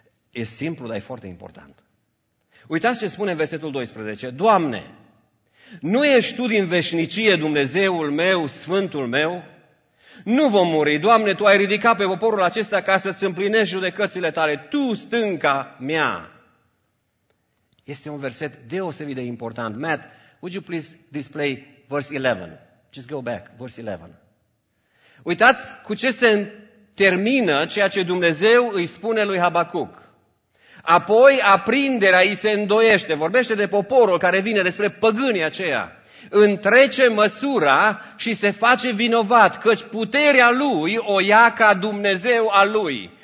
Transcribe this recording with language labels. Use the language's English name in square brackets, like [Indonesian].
[Romanian] E simplu, dar e foarte important. Uitați ce spune în versetul 12. Doamne, nu ești Tu din veșnicie Dumnezeul meu, Sfântul meu? Nu vom muri, Doamne, Tu ai ridicat pe poporul acesta ca să-ți împlinești judecățile Tale, Tu, stânca mea. Este un verset deosebit de important. [English] Matt, would you please display verse 11? Just go back, verse 11. [Romanian] Uitați cu ce se termină ceea ce Dumnezeu îi spune lui Habacuc. Apoi aprinderea îi se îndoiește, vorbește de poporul care vine, despre păgânii aceia. Întrece măsura și se face vinovat, căci puterea lui o ia ca Dumnezeu al lui.